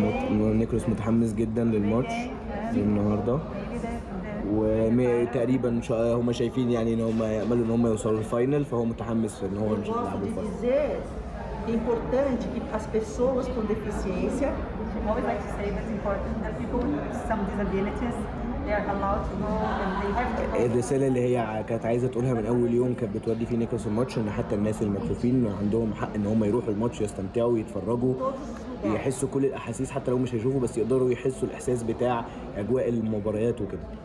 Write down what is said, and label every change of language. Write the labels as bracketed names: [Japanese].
[Arabic] نيكولاس متحمس جدا للماتش النهاردة وتقريبا هما شايفين يعني ان هما يأملوا ان هما يوصلوا الفاينل فهو متحمس ان هو مش يلعبوا الفاينل. [Portuguese] É importante que as pessoas com deficiência, [English] always like to say that it's important that people with some disabilities, they are allowed to go and they have to go. [Arabic] الرسالة اللي هي كانت عايزة تقولها من أول يوم كانت بتودي في نيكولاس الماتش إن حتى الناس المكسوفين عندهم حق إن هم يروحوا الماتش يستمتعوا ويتفرجوا يحسوا كل الأحاسيس حتى لو مش هيشوفوا بس يقدروا يحسوا الإحساس بتاع أجواء المباريات وكده.